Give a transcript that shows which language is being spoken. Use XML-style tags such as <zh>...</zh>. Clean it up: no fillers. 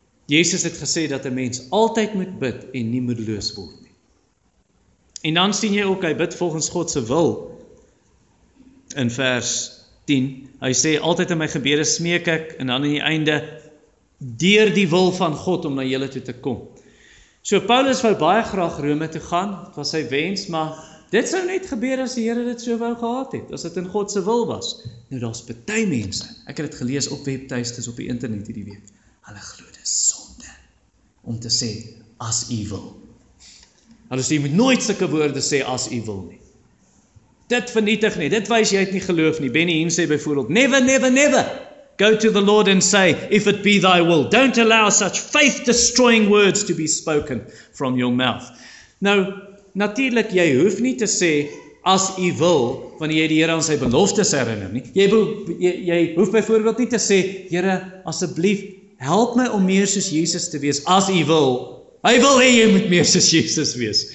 <af>Jesus het gesê dat een mens altyd moet bid en nie moedeloos word. En dan sien jy ook, hy bid volgens Godse wil, in vers 10, hy sê, altyd in my gebede smeek ek, en dan in die einde, deur die wil van God, om na julle toe te kom. So Paulus wou baie graag Rome toe gaan, het was sy wens, maar dit sou net gebeur as die Here dit so wou gehad het, as dit in Godse wil was. Nou, daar's party mense, ek het gelees op webtuistes, op die internet hierdie week, hulle glo dis sonde, om te sê, as u wil, Hulle sê, jy moet nooit sulke woorde sê as jy wil nie. Dit vernietig nie, dit wys jy het nie geloof nie.</af> <en>Benny Hinn</en> <af>sê byvoorbeeld,</af> <en>never, never, never go to the Lord and say, if it be thy will, don't allow such faith-destroying words to be spoken from your mouth.</en> <af>Nou, natuurlijk, jy hoef nie te sê as jy wil, wanneer jy die Here aan sy beloftes herinner nie. Jy hoef byvoorbeeld nie te sê, Here, asseblief, help my om meer soos Jesus te wees, as jy wil, Hy wil hê jy moet meer soos Jesus wees.</af>